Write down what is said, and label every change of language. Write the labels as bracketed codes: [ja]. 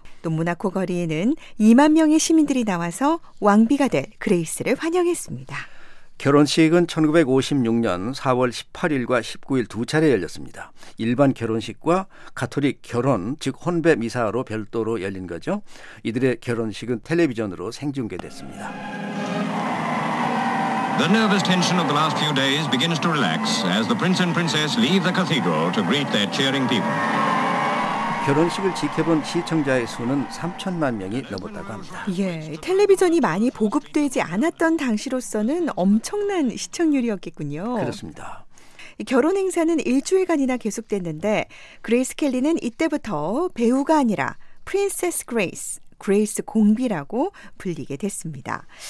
[ko] 또 모나코 거리에는 2만 명의 시민들이 나와서 왕비가 될 그레이스를 환영했습니다. 결혼식은 1956년 4월 18일과 19일 두 차례 열렸습니다. 일반 결혼식과 가톨릭 결혼, 즉 혼배 미사로 별도로 열린 거죠. 이들의 결혼식은 텔레비전으로 생중계됐습니다. [en] The nervous tension of the last few days begins to relax as the prince and princess leave the cathedral to greet their cheering people. [ko] 결혼식을 지켜본 시청자의 수는 3천만 명이 넘었다고 합니다. 예, 텔레비전이 많이 보급되지 않았던 당시로서는 엄청난 시청률이었겠군요. 그렇습니다. 결혼 행사는 일주일간이나 계속됐는데 그레이스 켈리는 이때부터 배우가 아니라 프린세스 그레이스, 그레이스 공비라고 불리게 됐습니다.